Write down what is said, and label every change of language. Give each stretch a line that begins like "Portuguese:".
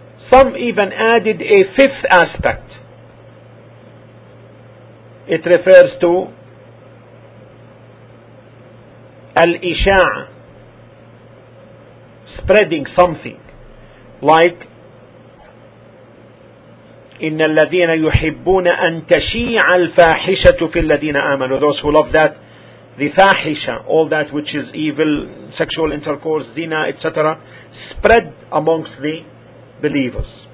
English: Some even added a fifth aspect. It refers to al-isha'a, spreading something, like
Arabic: إن الذين يحبون أن تشيع الفاحشة في الذين آمنوا.
English: Those who love that, the fahisha, all that which is evil, sexual intercourse, zina, etc., spread amongst the believers.